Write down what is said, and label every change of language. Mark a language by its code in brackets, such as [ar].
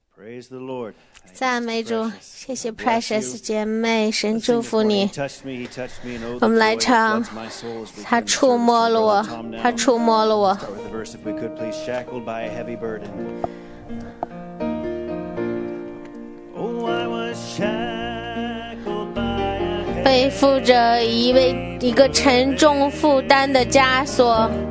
[en] Praise the Lord. [zh] 赞美主，谢谢 Precious 姐妹，神祝福你。我们来唱，他触摸了我，他触摸了我。 [en] If we could, please, shackled by a heavy burden. Oh, I was shackled by a heavy burden. [zh] 背负着一个沉重负担的枷锁。